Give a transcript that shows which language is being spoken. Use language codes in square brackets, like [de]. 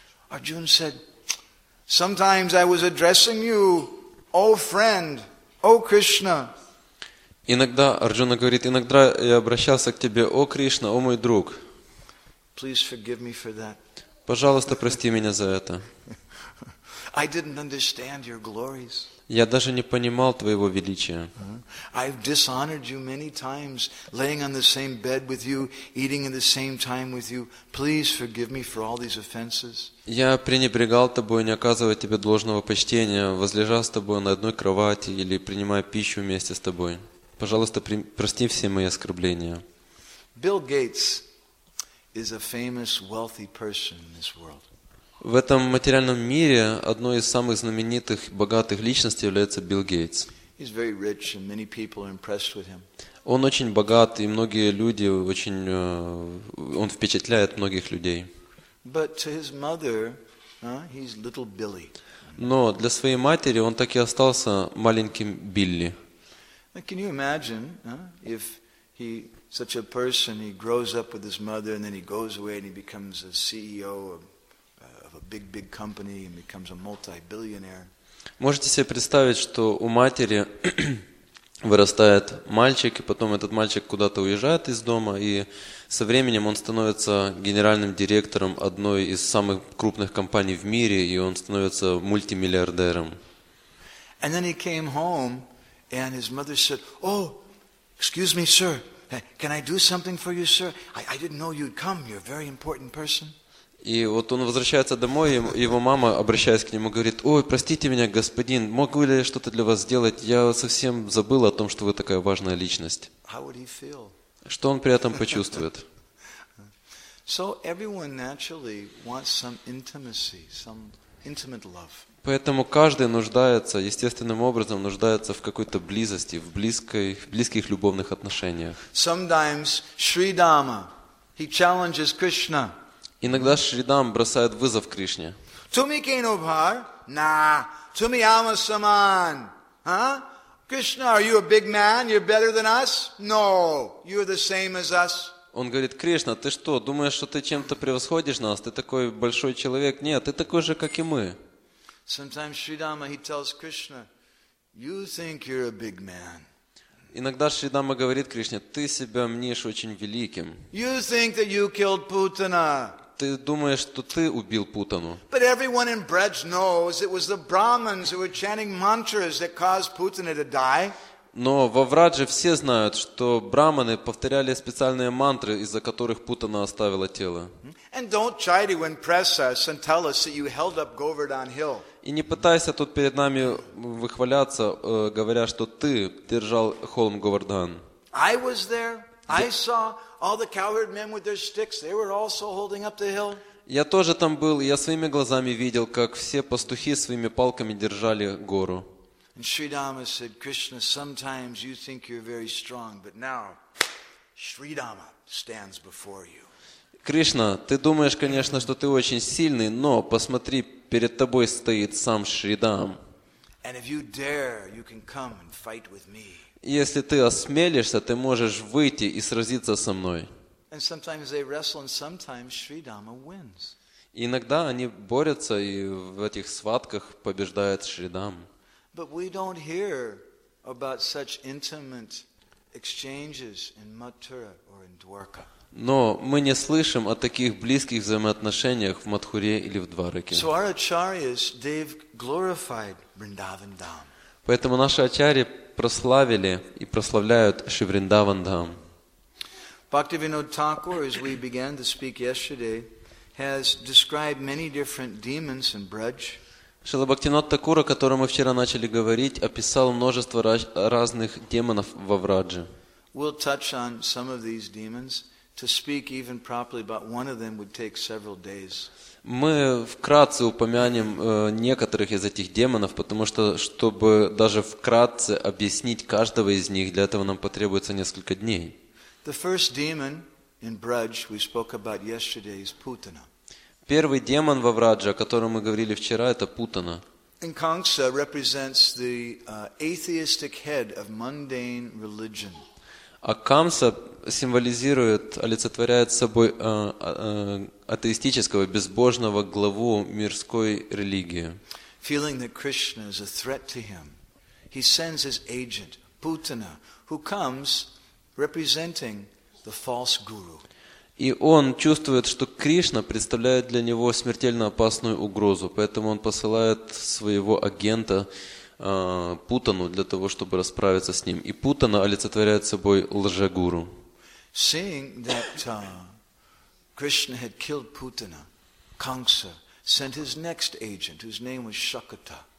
[en] Arjuna said, "Sometimes I was addressing you, O friend, O Krishna." [ru] Иногда Арджуна говорит, иногда я обращался к тебе, О Кришна, о мой друг. [en] Please forgive me for that. [ru] Пожалуйста, прости меня за это. [en] I didn't understand your glories. [ru] Я даже не понимал твоего величия. [en] I've dishonored you many times, laying on the same bed with you, eating at the same time with you. Please forgive me for all these offenses. [ru] Я пренебрегал тобой, не оказывая тебе должного почтения, возлежа с тобой на одной кровати или принимая пищу вместе с тобой. Пожалуйста, прости все мои оскорбления. [en] Bill Gates is a famous wealthy person in this world. [ru] В этом материальном мире одной из самых знаменитых, богатых личностей является Билл Гейтс. [en] He's very rich and many people are impressed with him. [ru] Он очень богат, и многие люди очень... Он впечатляет многих людей. [en] But to his mother, he's little Billy. [ru] Но для своей матери он так и остался маленьким Билли. [en] Can you imagine, if he... Such a person, he grows up with his mother and then he goes away and he becomes a CEO of a big, big company and becomes a multi-billionaire. [ru] Можете себе представить, что у матери вырастает мальчик, и потом этот мальчик куда-то уезжает из дома, и со временем он становится генеральным директором одной из самых крупных компаний в мире, и он становится мультимиллиардером. [en] And then he came home and his mother said, "Oh, excuse me, sir. Can I do something for you, sir? I didn't know you'd come. You're a very important person." [ru] И вот он возвращается домой, и его мама, обращаясь к нему, говорит: "Ой, простите меня, господин, могу ли я что-то для вас сделать? Я совсем забыла о том, что вы такая важная личность." [en] How would he feel? [ru] Что он при этом почувствует? [en] So everyone naturally wants some intimacy, some intimate love. [ru] Поэтому каждый нуждается, естественным образом нуждается в какой-то близости, в близких любовных отношениях. [en] Sometimes Shri Dama, he challenges Krishna. [ru] Иногда Шри Дам бросает вызов Кришне. [bn] Tumi keno bhar? Nah. Tumi ama saman. [en] Krishna, are you a big man? You're better than us? No. You're the same as us. [ru] Он говорит: "Кришна, ты что, думаешь, что ты чем-то превосходишь нас? Ты такой большой человек. Нет, ты такой же, как и мы." [en] Sometimes Shri Dama, he tells Krishna, "You think you're a big man." [ru] Иногда Шри Дама говорит Кришне: "Ты себя мнишь очень великим." [en] "You think that you killed Putana." [ru] Ты думаешь, что ты убил Путану. [en] But everyone in Braj knows it was the Brahmins who were chanting mantras that caused Putana to die. [ru] Но во Врадже все знают, что брахманы повторяли специальные мантры, из-за которых Путана оставила тело. [en] And don't try to impress us and tell us that you held up Govardhan Hill. [ru] И не пытайся тут перед нами выхваляться, говоря, что ты держал холм Говардхан. [en] I was there. I saw all the cowherd men with their sticks. They were also holding up the hill. [ru] Я тоже там был, и я своими глазами видел, как все пастухи своими палками держали гору. [en] And Shri Dama said, "Krishna, sometimes you think you're very strong, but now Shri Dama stands before you." [ru] Кришна, ты думаешь, конечно, что ты очень сильный, но посмотри, перед тобой стоит сам Шри Дам. [en] And if you dare, you can come and fight with me. [ru] Если ты осмелишься, ты можешь выйти и сразиться со мной. [en] And sometimes they wrestle, and sometimes Shri Dama wins. [ru] Иногда они борются, и в этих схватках побеждает Шри Дам. [en] But we don't hear about such intimate exchanges in Mathura or in Dwarka. [ru] Но мы не слышим о таких близких взаимоотношениях в Матхуре или в Двараке. [en] So our acharyas, they've glorified Vrindavan Dham. [ru] Поэтому наши ачарьи прославили и прославляют Шри Вриндаван Дхам. [en] Бхактивинод Тхакур, as we began to speak yesterday, has described many different demons in Braj. [ru] Шрила Бхактинот Такур, о котором мы вчера начали говорить, описал множество разных демонов во Врадже. [en] We'll touch on some of these demons. To speak even properly about one of them would take several days. [ru] Мы вкратце упомянем некоторых из этих демонов, потому что, чтобы даже вкратце объяснить каждого из них, для этого нам потребуется несколько дней. [en] The first demon in Braj we spoke about yesterday is Putana. [ru] Первый демон во Врадже, о котором мы говорили вчера, это Путана. [en] Inkangsa represents the atheistic head of mundane religion. [ru] А Камса символизирует, олицетворяет собой атеистического, безбожного главу мирской религии. [en] Feeling that Krishna is a threat to him, he sends his agent, Putana, who comes representing the false guru. [ru] И он чувствует, что Кришна представляет для него смертельно опасную угрозу, поэтому он посылает своего агента, путану для того, чтобы расправиться с ним. И путана олицетворяет собой лжегуру. [en] Seeing that Krishna had killed Putana, Kamsa sent his next agent, whose name was Shakata.